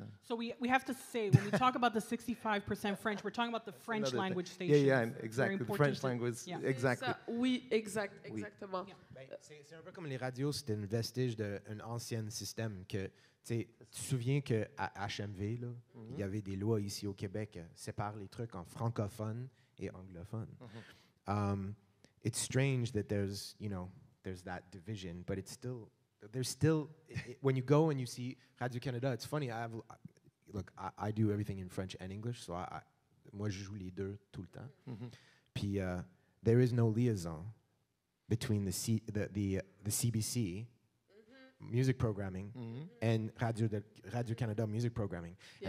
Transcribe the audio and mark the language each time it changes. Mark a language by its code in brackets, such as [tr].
[en] So we have to say when we talk about the 65% French, we're talking about the French language station. Yeah, yeah, exactly. The French language, yeah. Exactly. [fr] Ça, oui, exact, oui. Exactement. [en] Yeah. [fr] Ben, c'est un peu comme les radios, c'était un vestige d'un ancien système que tu sais, tu te souviens que à HMV là, il y avait des lois ici au Québec qui séparent les trucs en francophone et anglophone. Mm-hmm. [en] It's strange that there's, you know, there's that division, but it's still. There's still, when you go and you see Radio Canada, it's funny. I do everything in French and English, so [fr] moi je joue les deux tout le temps. [en] Mm-hmm. Puis there is no liaison between the CBC music programming and Radio Canada music programming, yeah.